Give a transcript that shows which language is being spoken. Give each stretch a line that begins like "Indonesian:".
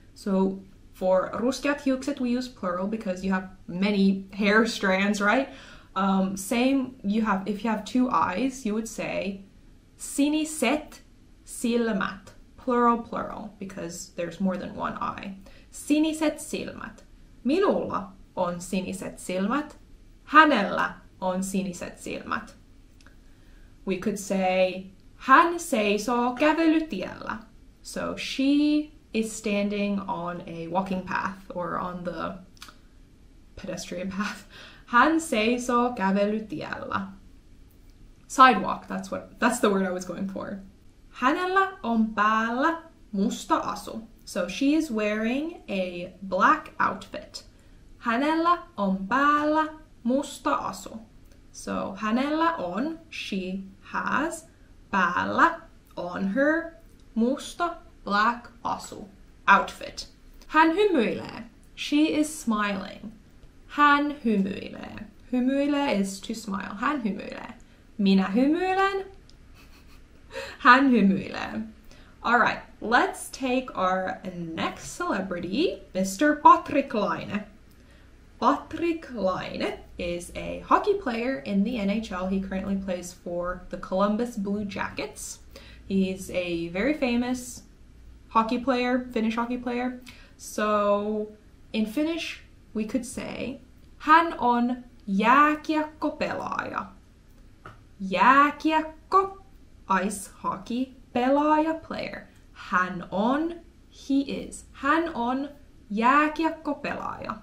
English: So for
Finnish: ruskeat hiukset,
English: we use plural because you have many hair strands, right? Same, you have, if you have two eyes, you would say
Finnish: siniset silmät,
English: plural, plural, because there's more than one eye.
Finnish: Siniset silmät. Minulla on siniset silmät. Hänellä on siniset silmät.
English: We could say
Finnish: hän seisoo kävelytiellä.
English: So she is standing on a walking path or on the pedestrian path.
Finnish: Hän seisoo kävelytiellä.
English: Sidewalk, that's the word I was going for.
Finnish: Hänellä on päällä musta asu.
English: So she is wearing a black outfit.
Finnish: Hänellä on päällä musta asu.
English: So
Finnish: hänellä on,
English: she has, päällä, on her, musta, black asu, outfit.
Finnish: Hän hymyilee.
English: She is smiling.
Finnish: Hän hymyilee.
English: Hymyilee is to smile.
Finnish: Hän hymyilee. Minä hymyilen. Hän hymyilee.
English: All right, let's take our next celebrity, Mr. Patrik Laine. Patrik Laine is a hockey player in the NHL. He currently plays for the Columbus Blue Jackets. He's a very famous hockey player, Finnish hockey player. So in Finnish, we could say,
Finnish: hän on jääkiekkopelaaja.
English: Jääkiekko, ice hockey, pelaaja, player.
Finnish: Hän on,
English: he is.
Finnish: Hän on jääkiekkopelaaja.